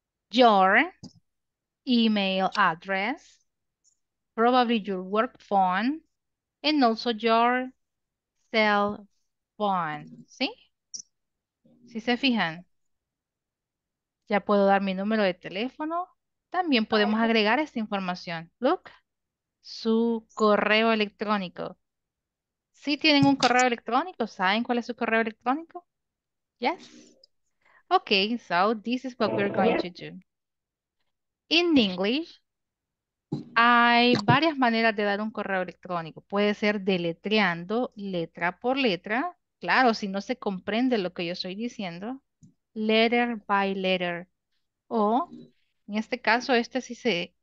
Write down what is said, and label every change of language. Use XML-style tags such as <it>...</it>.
<en>Your email address, probably your work phone, and also your cell phone.</en> <es>¿Sí? Si se fijan, ya puedo dar mi número de teléfono. También podemos agregar esta información.</es> <en>Look.</en> <es>Su correo electrónico. ¿Sí tienen un correo electrónico? ¿Saben cuál es su correo electrónico?</es> <en>Yes. Okay, so this is what we're going to do. In English,</en> <es>hay varias maneras de dar un correo electrónico. Puede ser deletreando letra por letra. Claro, si no se comprende lo que yo estoy diciendo.</es> <en>Letter by letter.</en> <es>O, en este caso, este sí se...</es>